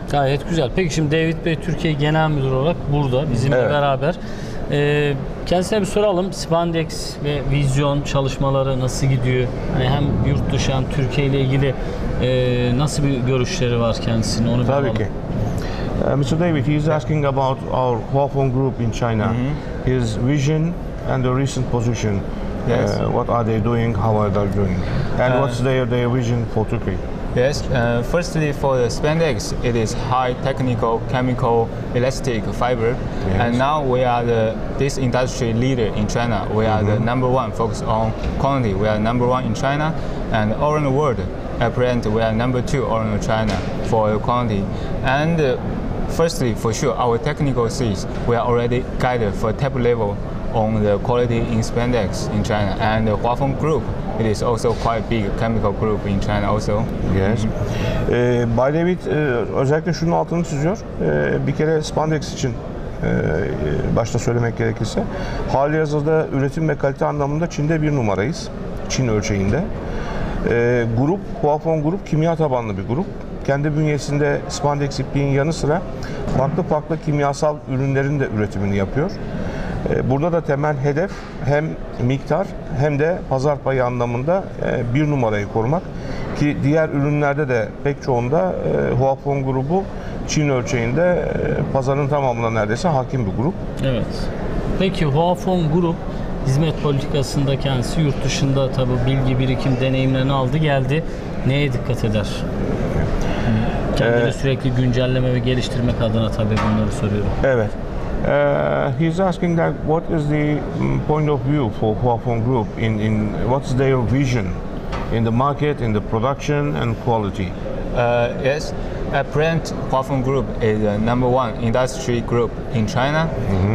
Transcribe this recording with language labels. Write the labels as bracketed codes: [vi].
[tr] Gayet güzel. Peki şimdi David Bey Türkiye Genel Müdürü olarak burada bizimle evet. beraber. Kendisine bir soralım. Spandex ve vizyon çalışmaları nasıl gidiyor? Hani hem yurt dışı hem Türkiye ile ilgili nasıl bir görüşleri var kendisinin? Onu Tabii bir ki. Mr. [en] David, he is asking about our Huafon group in China. Mm-hmm. His vision and the recent position. Yes. What are they doing? How are they doing? And what's their vision for Turkey? Yes. Firstly, for the spandex, it is high technical chemical elastic fiber. Yes. And now we are this industry leader in China. We are mm-hmm. the number one focus on quality. We are number one in China and all in the world. At present, we are number two all in China for the quality. And firstly, for sure, our technical seats, we are already guided for top level on the quality in spandex in China. And the Huafon Group, it is also quite big chemical group in China also. Yes. [tr] Bay David, özellikle şunun altını çiziyor. Bir kere spandex için başta söylemek gerekirse, hali hazırda üretim ve kalite anlamında Çin'de bir numarayız, Çin ölçeğinde. Grup, Huafon Grup kimya tabanlı bir grup. Kendi bünyesinde spandex ipliğin yanı sıra farklı farklı kimyasal ürünlerin de üretimini yapıyor. Burada da temel hedef hem miktar hem de pazar payı anlamında bir numarayı korumak. Ki diğer ürünlerde de pek çoğunda Huafon Grubu Çin ölçeğinde pazarın tamamına neredeyse hakim bir grup. Evet. Peki Huafon Grup hizmet politikasında kendisi yurt dışında tabi bilgi birikim deneyimlerini aldı geldi. Neye dikkat eder? Kendini sürekli güncelleme ve geliştirmek adına tabi bunları soruyorum. Evet. [en] He's asking that what is the point of view for Huafon Group in what's their vision in the market, in the production and quality? Yes. At present, Huafon Group is the number one industry group in China, mm-hmm.